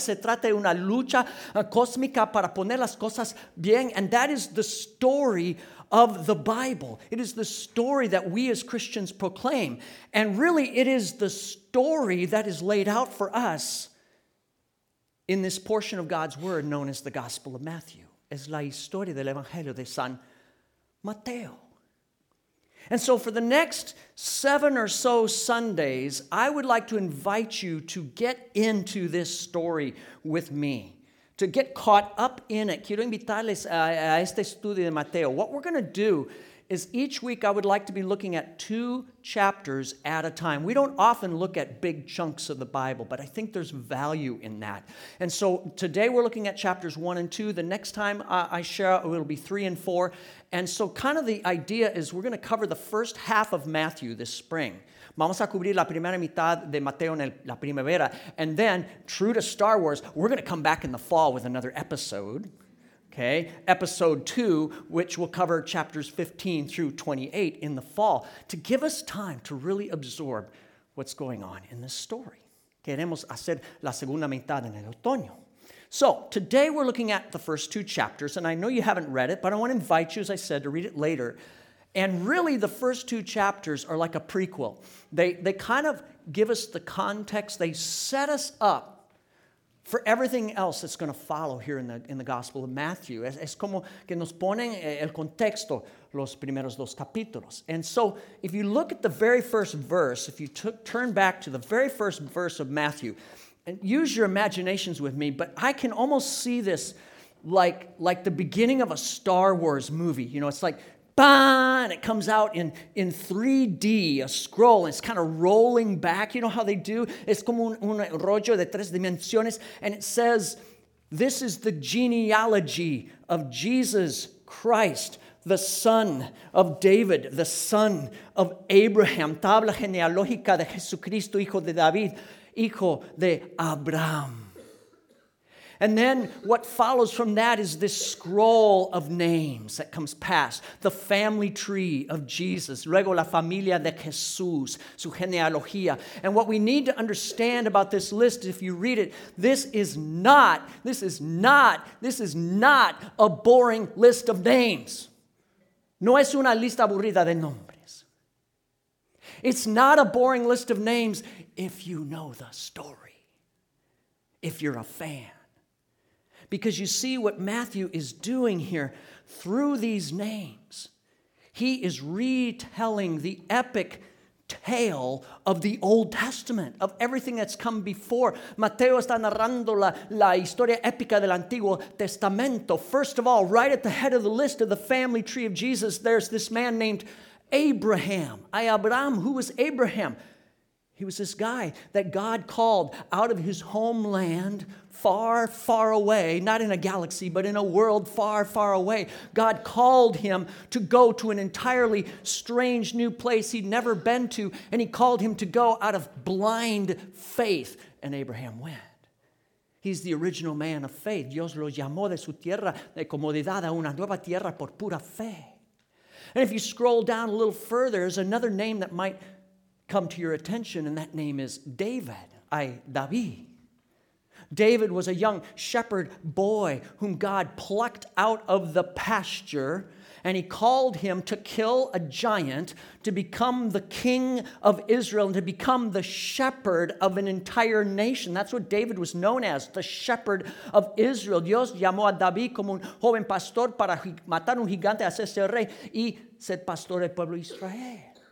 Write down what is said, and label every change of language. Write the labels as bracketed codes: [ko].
[es] Se trata de una lucha cósmica para poner las cosas bien, [en] and that is the story of the Bible. It is the story that we as Christians proclaim. And really, it is the story that is laid out for us in this portion of God's Word known as the Gospel of Matthew. [es] es la historia del Evangelio de San Mateo. [en] And so for the next 7 or so Sundays, I would like to invite you to get into this story with me, to get caught up in it. [es] Quiero invitarles a este estudio de Mateo. [en] What we're going to do is each week I would like to be looking at 2 chapters at a time. We don't often look at big chunks of the Bible, but I think there's value in that. And so today we're looking at chapters 1 and 2. The next time I share, it'll be 3 and 4. And so kind of the idea is we're going to cover the first half of Matthew this spring. [es] Vamos a cubrir la primera mitad de Mateo en la primavera. [en] And then, true to Star Wars, we're going to come back in the fall with another episode. Okay, episode 2, which will cover chapters 15 through 28 in the fall, to give us time to really absorb what's going on in this story. [es] Queremos hacer la segunda mitad en el otoño. [en] So, today we're looking at the first 2 chapters, and I know you haven't read it, but I want to invite you, as I said, to read it later. And really, the first 2 chapters are like a prequel. They kind of give us the context. They set us up for everything else that's going to follow here in the Gospel of Matthew. [es] Es como que nos ponen el contexto los primeros 2 capítulos. [en] And so, if you look at the very first verse, if you turn back to the very first verse of Matthew, and use your imaginations with me, but I can almost see this like the beginning of a Star Wars movie. You know, it's like, and it comes out in 3D, a scroll, and it's kind of rolling back. You know how they do? It's [es] como un rollo de 3 dimensiones. [en] And it says, this is the genealogy of Jesus Christ, the son of David, the son of Abraham. [es] Tabla genealógica de Jesucristo, hijo de David, hijo de Abraham. [en] And then what follows from that is this scroll of names that comes past. The family tree of Jesus. [es] Luego la familia de Jesús, su genealogía. [en] And what we need to understand about this list, if you read it, this is not a boring list of names. [es] No es una lista aburrida de nombres. [en] It's not a boring list of names if you know the story, if you're a fan. Because you see what Matthew is doing here through these names. He is retelling the epic tale of the Old Testament, of everything that's come before. [es] Mateo está narrando la historia épica del Antiguo Testamento. [en] First of all, right at the head of the list of the family tree of Jesus, there's this man named Abraham. Ay, Abraham, who was Abraham? He was this guy that God called out of his homeland far, far away, not in a galaxy, but in a world far, far away. God called him to go to an entirely strange new place he'd never been to, and he called him to go out of blind faith, and Abraham went. He's the original man of faith. [es] Dios lo llamó de su tierra de comodidad a una nueva tierra por pura fe. [en] And if you scroll down a little further, there's another name that might come to your attention, and that name is David. Ay, David. David was a young shepherd boy whom God plucked out of the pasture, and he called him to kill a giant, to become the king of Israel, and to become the shepherd of an entire nation. That's what David was known as, the shepherd of Israel. [es] Dios llamó a David como un joven pastor para matar un gigante, hacerse rey, y ser pastor del pueblo Israel.